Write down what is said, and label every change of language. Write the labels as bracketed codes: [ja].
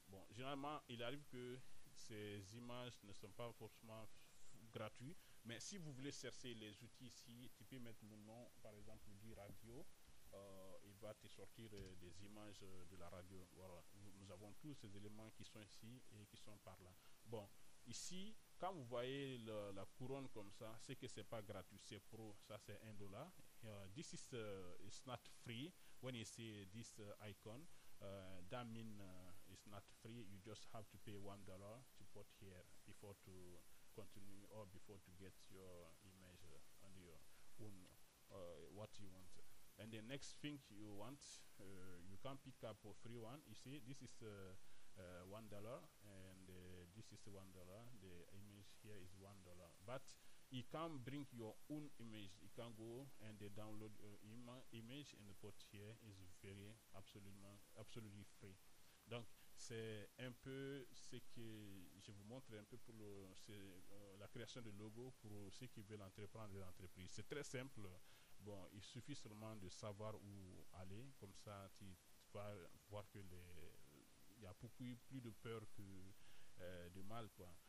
[fr] Bon, généralement, il arrive que ces images ne sont pas forcément gratuit, mais si vous voulez chercher les outils ici, tu peux mettre mon nom par exemple du radio, il va te sortir des images de la radio. Voilà, nous avons tous ces éléments qui sont ici et qui sont par là. Bon, ici, quand vous voyez la couronne comme ça, c'est que c'est pas gratuit, c'est pro, ça c'est $1. [en] This is it's not free. When you see this icon, that means it's not free. You just have to pay $1 to put here before to continue or before to get your image on your own, what you want. And the next thing you want, you can pick up a free one. You see, this is $1 and this is $1. The image here is $1. But you can bring your own image. You can go and download your image and put here. It's very absolutely free. [fr] Donc, c'est un peu ce que je vous montre un peu pour la création de logo pour ceux qui veulent entreprendre l'entreprise. C'est très simple. Bon, il suffit seulement de savoir où aller. Comme ça, tu pas voir que les il y a beaucoup plus de peur que de mal quoi.